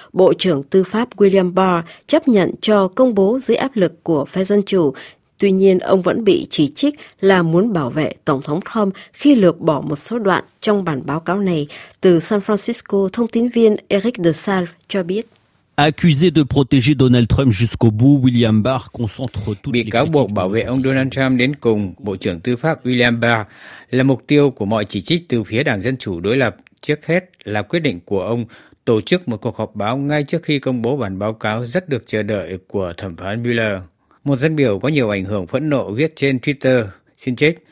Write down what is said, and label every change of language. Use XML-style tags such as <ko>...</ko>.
<vi>Bộ trưởng Tư pháp William Barr chấp nhận cho công bố dưới áp lực của phe Dân Chủ. Tuy nhiên, ông vẫn bị chỉ trích là muốn bảo vệ Tổng thống Trump khi lược bỏ một số đoạn trong bản báo cáo này. Từ San Francisco, thông tin viên Eric DeSalve cho biết.</vi> <fr>Accusé de protéger Donald Trump jusqu'au bout, William Barr concentre toutes les critiques.</fr> <vi>Bị cáo buộc bảo vệ ông Donald Trump đến cùng, Bộ trưởng Tư pháp William Barr là mục tiêu của mọi chỉ trích từ phía Đảng Dân chủ đối lập. Trước hết là quyết định của ông tổ chức một cuộc họp báo ngay trước khi công bố bản báo cáo rất được chờ đợi của thẩm phán Mueller. Một dân biểu có nhiều ảnh hưởng phẫn nộ viết trên Twitter, xin chết.</vi>